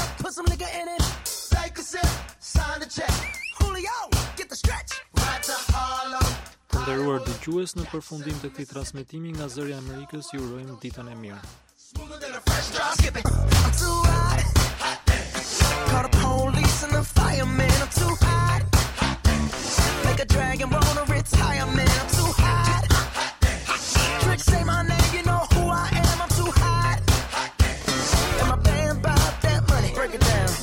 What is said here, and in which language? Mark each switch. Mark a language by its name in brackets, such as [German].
[English] Some nigga in it, take a sip, sign the check. Julio, get the stretch. Right to Harlem. [Albanian] Nderuar dëgjues, në përfundim të këtij transmetimi nga zëri i Amerikës, ju urojmë ditën e mirë. [English] Call the police and the fireman, I'm too hot. Make a dragon roll a retirement, I'm too hot. Trick say my name, you know who I am, I'm too hot. And my band bought that money, break it down.